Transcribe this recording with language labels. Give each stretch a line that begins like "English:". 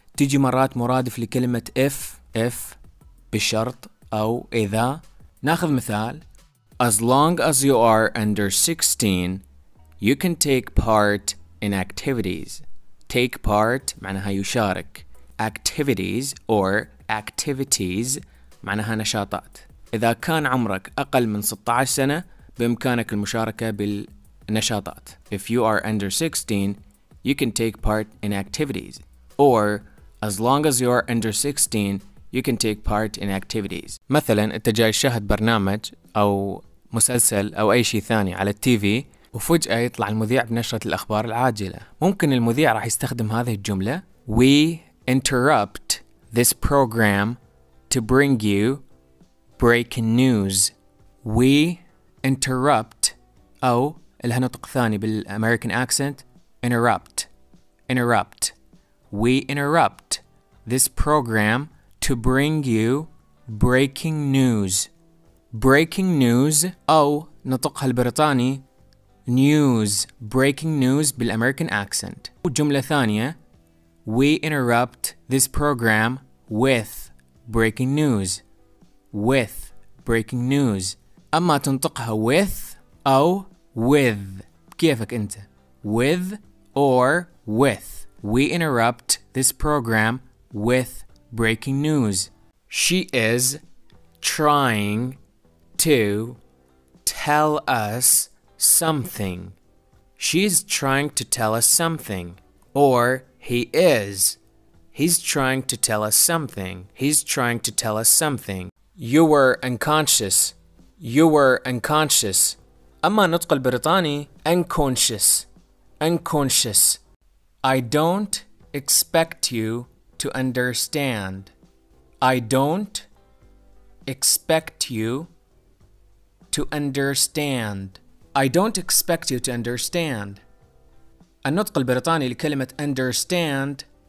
Arabic: تيجي مرات مرادف لكلمة if بشرط أو إذا. ناخذ مثال.
English: As long as you are under 16, you can take part in activities. Take part
Arabic: معناها يشارك.
English: Activities or activities
Arabic: معناها نشاطات. إذا كان عمرك أقل من 16 سنة بإمكانك المشاركة بالنشاطات.
English: If you are under 16, you can take part in activities. Or as long as you are under 16, you can take part in activities.
Arabic: مثلا انت جاي تشاهد برنامج او مسلسل او اي شيء ثاني على التي في وفجأة يطلع المذيع بنشرة الاخبار العاجلة. ممكن المذيع راح يستخدم هذه الجملة.
English: We interrupt this program to bring you breaking news. We interrupt
Arabic: او لها نطق ثاني بالامريكان اكسنت.
English: Interrupt. Interrupt. We interrupt this program to bring you breaking news. Breaking news
Arabic: أو نطقها البريطاني news.
English: Breaking news
Arabic: بالأمريكان
English: accent.
Arabic: وجملة ثانية.
English: We interrupt this program with breaking news. With breaking news.
Arabic: أما تنطقها with أو with. كيفك أنت.
English: With or with. We interrupt this program with breaking news. She is trying to tell us something. She's trying to tell us something. Or he is. He's trying to tell us something. He's trying to tell us something. You were unconscious. You were unconscious.
Arabic: أما نطق البريطاني unconscious.
English: Unconscious. I don't expect you to understand. I don't expect you to understand. I don't expect you to understand.
Arabic: النطق البريطاني لكلمة
English: understand